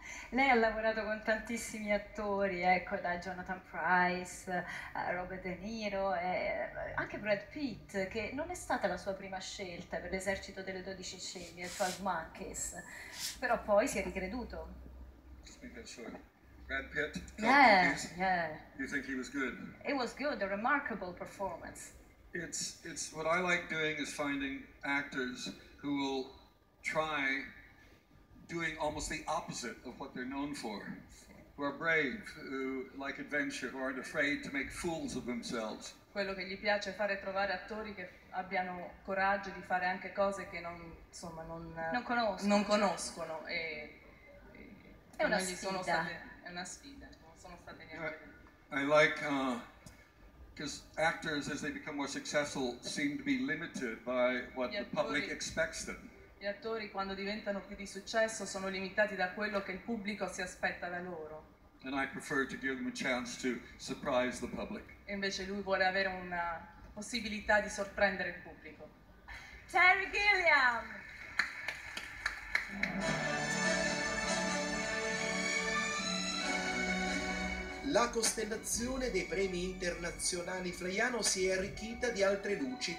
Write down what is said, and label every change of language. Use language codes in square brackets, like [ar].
[it] Lei ha lavorato con tantissimi attori, ecco, da Jonathan Pryce a Robert De Niro e anche Brad Pitt, che non è stata la sua prima scelta per l'esercito delle 12 scimmie, 12 Monkeys, però poi si è ricreduto. [en] Sure. Brad Pitt, 12 Monkeys. Yeah. You think he was good? It was good, a remarkable performance. It's what I like doing is finding actors who will try doing almost the opposite of what they're known for, who are brave, who like adventure, who aren't afraid to make fools of themselves. [it] Quello che gli piace è fare trovare attori che abbiano coraggio di fare anche cose che non, insomma, Non non conoscono, certo. conoscono e È una non gli sono sfida. state, è una sfida, non sono state neanche. [en] I like, because actors, as they become more successful, seem to be limited by what the public expects them. [it] Gli attori quando diventano più di successo sono limitati da quello che il pubblico si aspetta da loro. [en] And I prefer to give them a chance to surprise the public. [it] E invece lui vuole avere una possibilità di sorprendere il pubblico. Terry Gilliam! La costellazione dei premi internazionali Flaiano si è arricchita di altre luci.